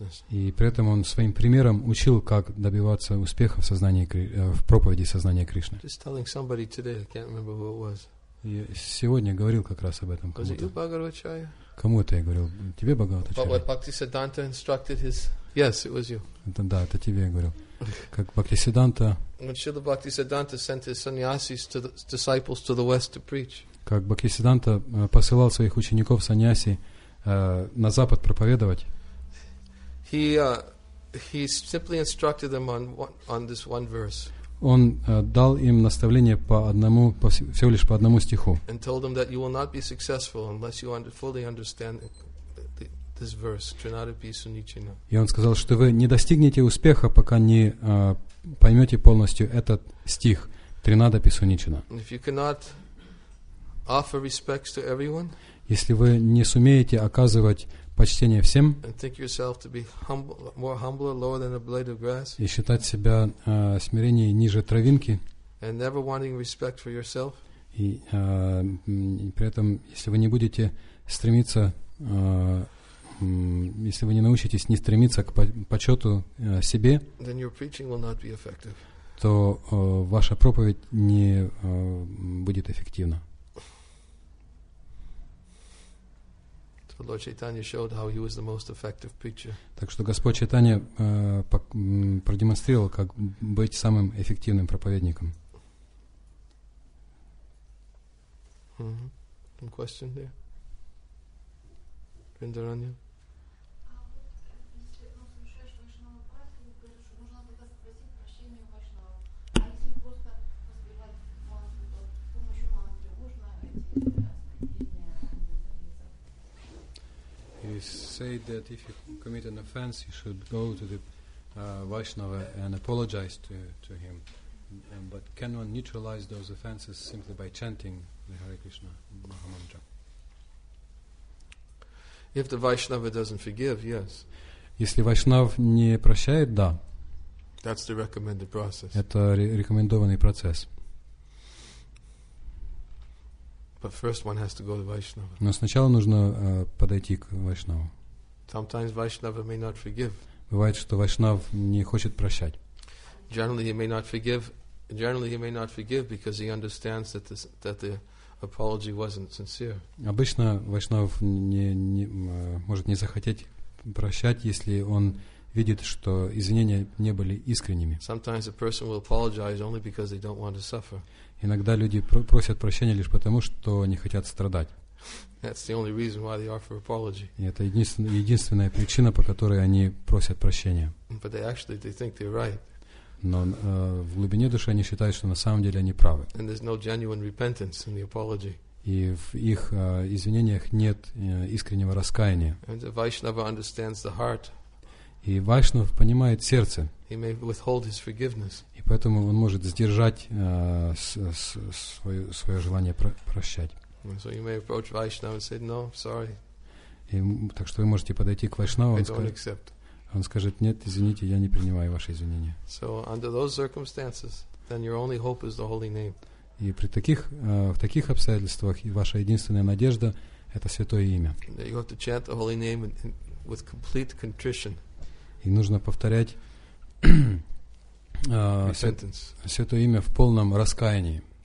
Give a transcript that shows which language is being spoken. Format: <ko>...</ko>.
<ru>И при этом он своим примером учил, как добиваться успеха в сознании, в проповеди сознания Кришны.</ru> <en>Just telling somebody today, I can't remember who it was.</en> <ru>Я сегодня говорил как раз об этом кому-то. Кому это я говорил? Тебе, Бхагавачарья?</ru> <en>But Bhaktisiddhanta instructed his... Yes, it was you.</en> <ru>Да, это тебе я говорил. Как Бхактисиддханта...</ru> <en>When Srila Bhaktisiddhanta sent his sannyasis to the disciples to the west to preach.</en> <ru>Как Бхактисиддханта посылал своих учеников сannyasi на запад проповедовать.</ru> <en>He simply instructed them on this one verse.</en> <ru>Он дал им наставление по одному, по, всего лишь по одному стиху.</ru> <en>And told them that you will not be successful unless you fully understand this verse, Trinadipi Sunichina.</en> <ru>И он сказал, что вы не достигнете успеха, пока не поймете полностью этот стих, Тринадапи Суничина.</ru> <en>If you cannot offer respects to everyone,</en> <ru>если вы не сумеете оказывать почтение всем,</ru> <en>and think yourself to be humble, more humble or lower than a blade of grass,</en> <ru>и считать себя смиреннее ниже травинки,</ru> <en>and never wanting respect for yourself,</en> <ru>и при этом, если вы не будете стремиться, если вы не научитесь не стремиться к почету себе,</ru> <en>then your preaching will not be effective.</en> <ru>То ваша проповедь не будет эффективна.</ru> <en>But Lord Chaitanya showed how he was the most effective preacher.</en> <ru>Так что Господь Чайтанья продемонстрировал, как быть самым эффективным проповедником.</ru> <en>Mm-hmm. Any question there? Vrindaranya? Say that if you commit an offense, you should go to the Vaishnava and apologize to him. But can one neutralize those offenses simply by chanting the Hare Krishna Maha Mantra? If the Vaishnava doesn't forgive, yes.</en> <ru>Если Вайшнав не прощает, да.</ru> <en>That's the recommended process.</en> <ru>Это рекомендованный процесс.</ru> <en>But first one has to go to Vaishnava.</en> <ru>Но сначала нужно подойти к Вайшнаву.</ru> <en>Sometimes Vaishnava may not forgive.</en> <ru>Бывает, что Вайшнав не хочет прощать.</ru> <en>Generally he may not forgive because he understands that the apology wasn't sincere.</en> <ru>Обычно Вайшнав может не захотеть прощать, если он видит, что извинения не были искренними.</ru> <en>Sometimes a person will apologize only because they don't want to suffer.</en> <ru>Иногда люди просят прощения лишь потому, что не хотят страдать.</ru> <en>That's the only reason why they offer apology.</en> <ru>И это единственная причина, по которой они просят прощения.</ru> <en>But they actually, they think they're right.</en> <ru>Но в глубине души они считают, что на самом деле они правы.</ru> <en>And there's no genuine repentance in the apology.</en> <ru>И в их извинениях нет искреннего раскаяния.</ru> <en>And the Vaishnava understands the heart.</en> <ru>И Вайшнав понимает сердце.</ru> <en>He may withhold his forgiveness.</en> <ru>И поэтому он может сдержать свое желание прощать.</ru> <en>So you may approach Vaishnava and say, no, sorry.</en> <ru>И, так что вы можете подойти к Вайшнаву, он скажет, нет, извините, я не принимаю ваши извинения.</ru> <en>So under those circumstances, then your only hope is the holy name.</en> <ru>И при таких, в таких обстоятельствах ваша единственная надежда – это святое имя.</ru> <en>And you have to chant the holy name with complete contrition.</en> <ru>И нужно повторять святое имя в полном раскаянии.</ru>